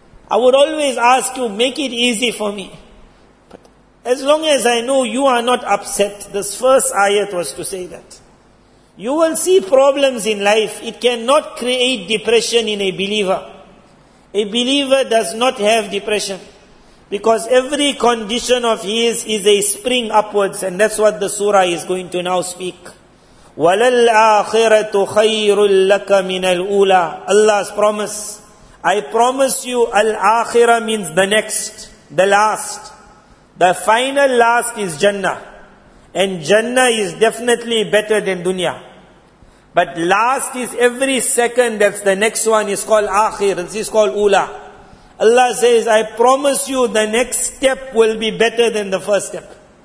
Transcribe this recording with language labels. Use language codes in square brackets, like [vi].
[en] I would always ask you, make it easy for me. But as long as I know you are not upset, this first ayat was to say that. You will see problems in life. It cannot create depression in a believer. A believer does not have depression. Because every condition of his is a spring upwards. And that's what the surah is going to now speak. [ar] وَلَلْآخِرَةُ خَيْرٌ لَكَ مِنَ الْأُولَىٰ [en] Allah's promise. I promise you, al-akhirah means the next, the last. The final last is Jannah. And Jannah is definitely better than dunya. But last is every second, that's the next one, is called akhir, this is called ula. Allah says, I promise you the next step will be better than the first step.